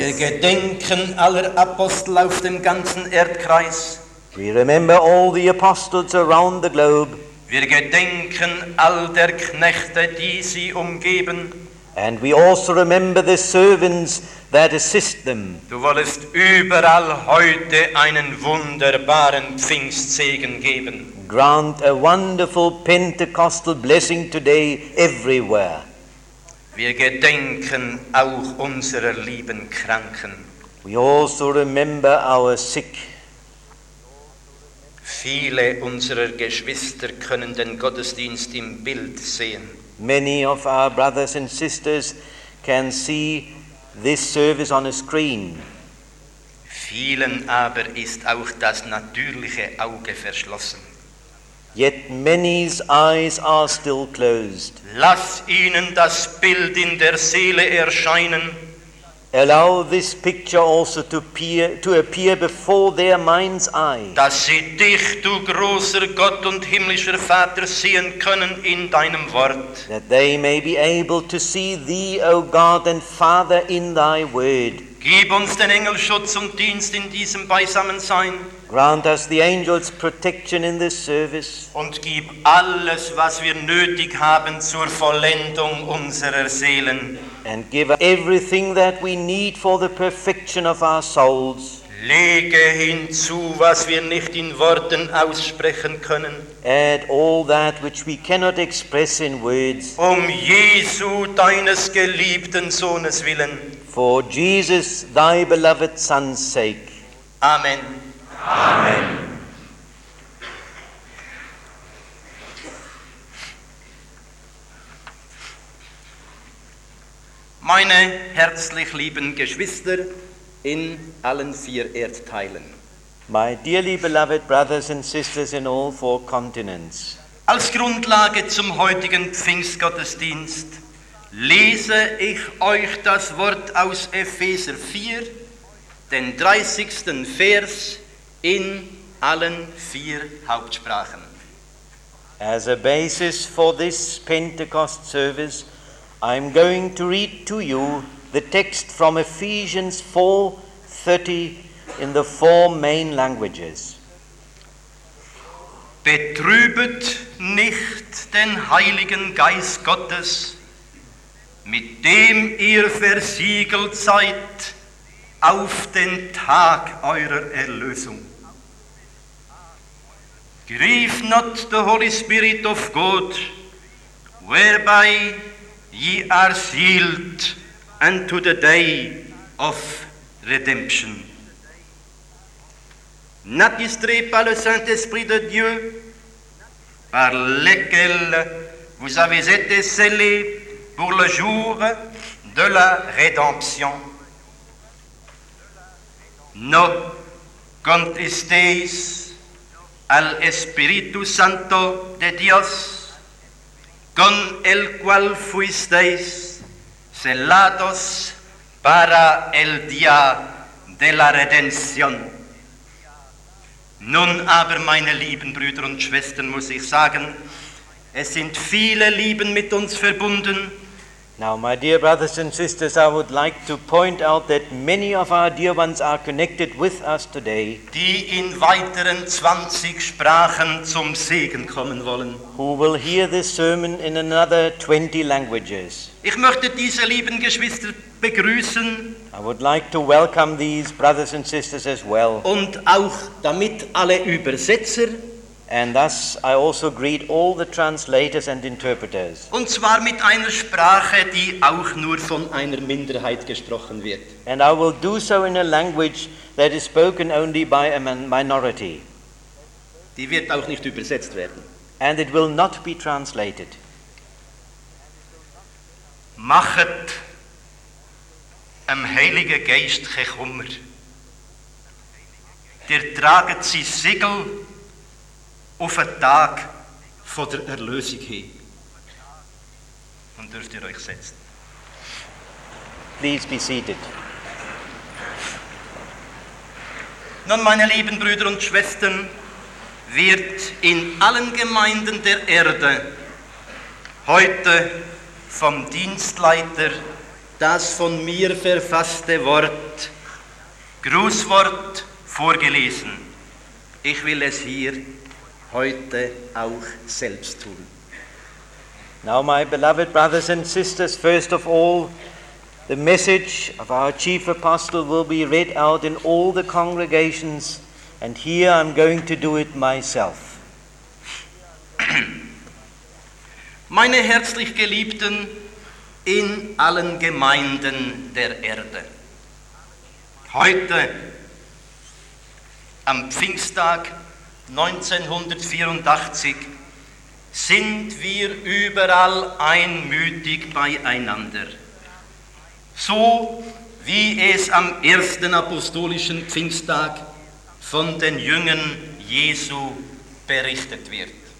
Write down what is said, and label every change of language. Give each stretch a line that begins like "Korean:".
German: Wir gedenken aller Apostel auf dem ganzen Erdkreis.
English: We remember all the apostles around the globe.
German: Wir gedenken all der Knechte, die sie umgeben.
English: And we also remember the servants that assist them.
German: Du wollest überall heute einen wunderbaren Pfingstsegen geben.
English: Grant a wonderful Pentecostal blessing today everywhere.
German: Wir gedenken auch unserer lieben Kranken.
English: We also remember our sick.
German: Viele unserer Geschwister können den Gottesdienst im Bild sehen.
English: Many of our brothers and sisters can see this service on a screen.
German: Vielen aber ist auch das natürliche Auge verschlossen.
English: Yet many's eyes are still closed.
German: Lass ihnen das Bild in der Seele erscheinen.
English: Allow this picture also to appear before their mind's eye.
German: Dass sie dich, du großer Gott und himmlischer Vater, sehen können in deinem Wort.
English: That they may be able to see thee, O God and Father, in thy word.
German: Gib uns den Engelschutz und Dienst in diesem Beisammensein.
English: Grant us the angels' protection in this service.
German: Und gib alles, was wir nötig haben zur Vollendung unserer Seelen.
English: And give us everything that we need for the perfection of our souls.
German: Lege hinzu, was wir nicht in Worten aussprechen können.
English: Add all that which we cannot express in words.
German: Um Jesu, deines geliebten Sohnes willen.
English: For Jesus, thy beloved Son's sake.
German: Amen.
English: Amen.
German: Meine herzlich lieben Geschwister in allen vier Erdteilen.
English: My dearly beloved brothers and sisters in all four continents.
German: Als Grundlage zum heutigen Pfingstgottesdienst lese ich euch das Wort aus Epheser 4, den 30. Vers in allen vier Hauptsprachen.
English: As a basis for this Pentecost service, I'm going to read to you the text from Ephesians 4:30 in the four main languages.
German: Betrübet nicht den Heiligen Geist Gottes, mit dem ihr versiegelt seid auf den Tag eurer Erlösung.
English: Grieve not the Holy Spirit of God, whereby ye are sealed unto the day of redemption.
French: N'attisterez pas le Saint-Esprit de Dieu, par lequel vous avez été scellés pour le jour de la rédemption.
Spanish: No contristéis al Espíritu Santo de Dios, con el cual fuisteis sellados para el día de la redención.
German: Nun aber, meine lieben Brüder und Schwestern, muss ich sagen, es sind viele Lieben mit uns verbunden.
English: Now, my dear brothers and sisters, I would like to point out that many of our dear ones are connected with us today,
German: die in weiteren 20 Sprachen zum Segen kommen wollen,
English: who will hear this sermon in another 20 languages.
German: Ich möchte diese lieben Geschwister begrüßen.
English: I would like to welcome these brothers and sisters as well.
German: Und auch damit alle Übersetzer.
English: And thus I also greet all the translators and interpreters.
German: Und zwar mit einer Sprache, die auch nur von einer Minderheit gesprochen wird.
English: And I will do so in a language that is spoken only by a minority.
German: Die wird auch nicht übersetzt werden.
English: And it will not be translated.
Swiss German: Machet am Heiligen Geist gechummer. Der traget sie Siegel auf den Tag von der Erlösung hin. Und dürft ihr euch setzen.
English: Please be seated.
German: Nun, meine lieben Brüder und Schwestern, wird in allen Gemeinden der Erde heute vom Dienstleiter das von mir verfasste Wort, Grußwort, vorgelesen. Ich will es hier heute auch selbst tun.
English: Now, my beloved brothers and sisters, first of all, the message of our chief apostle will be read out in all the congregations, and here I'm going to do it myself.
German: Meine herzlich Geliebten in allen Gemeinden der Erde. Heute, am Pfingsttag 1984, sind wir überall einmütig beieinander, so wie es am ersten apostolischen Pfingsttag von den Jüngern Jesu berichtet wird.